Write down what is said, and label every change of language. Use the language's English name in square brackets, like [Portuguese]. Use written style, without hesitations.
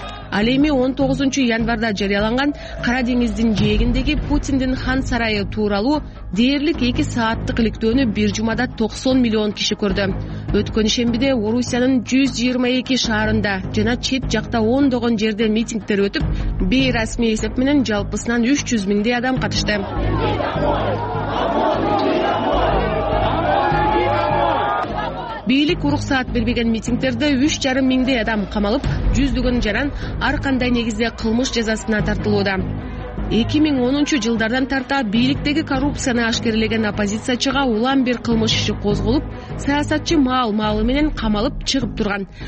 [Kyrgyz] Ал эми 19 январда жарыяланган Кара деңиздин жээгиндеги Путиндин хан сарайы тууралуу дээрлик 2 сааттык иликтөөнү бир жумада 90 миллион киши көрдү. Өткөн ишембиде Орусиянын 122 шаарында жана чет жакта ондогон жерде митингдер өтүп, бейрасмий эсеп менен жалпысынан 300 миңдей адам катышты. [Russian] Домой! Домой! Домой! Домой! Домой! Домой! Домой! [Kyrgyz] бийлик уруксаат бербеген митингтерде 3,5 миңдей адам камалып, жүздөгөн жаран ар кандай негизде кылмыш жазасына тартылууда. 2010 жылдардан тарта бийликтеги коррупцияны ашкерлеген оппозициячыга улам бир кылмыш иши козголуп, саясатчы маал-маалы менен камалып чыгып турган.